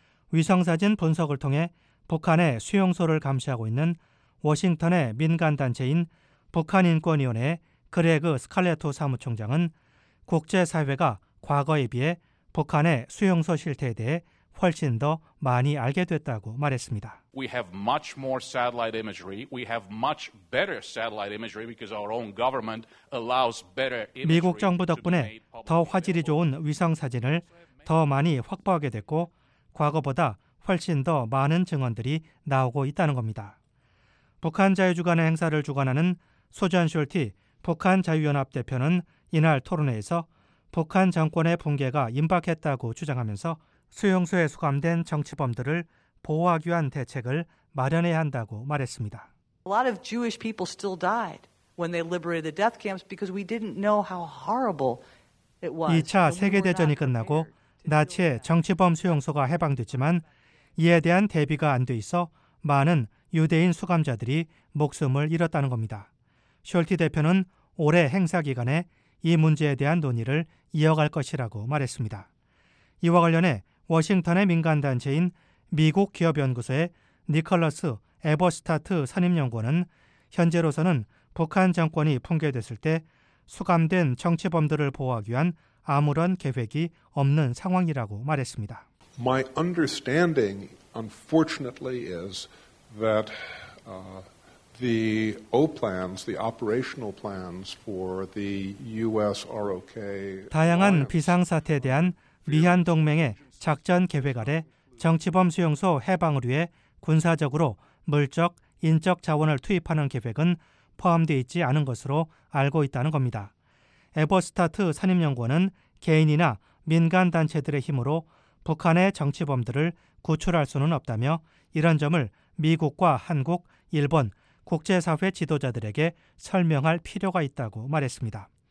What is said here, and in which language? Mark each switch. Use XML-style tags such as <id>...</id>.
<ko>위성사진 분석을 통해 북한의 수용소를 감시하고 있는 워싱턴의 민간단체인 북한인권위원회 그레그 스칼레토 사무총장은 국제사회가 과거에 비해 북한의 수용소 실태에 대해 훨씬 더 많이 알게 됐다고 말했습니다.</ko> <en>We have much more satellite imagery. We have much better satellite imagery because our own government allows better imagery.</en> <ko>미국 정부 덕분에 더 화질이 좋은 위성 사진을 더 많이 확보하게 됐고 과거보다 훨씬 더 많은 증언들이 나오고 있다는 겁니다. 북한 자유주간의 행사를 주관하는 소전 숄티 북한 자유연합 대표는 이날 토론회에서 북한 정권의 붕괴가 임박했다고 주장하면서 수용소에 수감된 정치범들을 보호하기 위한 대책을 마련해야 한다고 말했습니다.</ko> <en>A lot of Jewish people still died when they liberated the death camps because we didn't know how horrible it was.</en> <ko>2차 세계대전이 끝나고 나치의 정치범 수용소가 해방됐지만 이에 대한 대비가 안 돼 있어 많은 유대인 수감자들이 목숨을 잃었다는 겁니다. 숄티 대표는 올해 행사 기간에 이 문제에 대한 논의를 이어갈 것이라고 말했습니다. 이와 관련해 워싱턴의 민간단체인 미국 기업연구소의 니컬러스 에버스타트 선임연구원은 현재로서는 북한 정권이 붕괴됐을 때 수감된 정치범들을 보호하기 위한 아무런 계획이 없는 상황이라고 말했습니다.</ko> <en>My understanding, unfortunately, is that the O plans, the operational plans for the U.S. ROK</en> <ko>다양한 비상 사태에 대한 미한 동맹의 작전 계획 아래 정치범 수용소 해방을 위해 군사적으로 물적, 인적 자원을 투입하는 계획은 포함되어 있지 않은 것으로 알고 있다는 겁니다. 에버스타트 선임연구원은 개인이나 민간단체들의 힘으로 북한의 정치범들을 구출할 수는 없다며 이런 점을 미국과 한국, 일본, 국제사회 지도자들에게 설명할 필요가 있다고 말했습니다.</ko>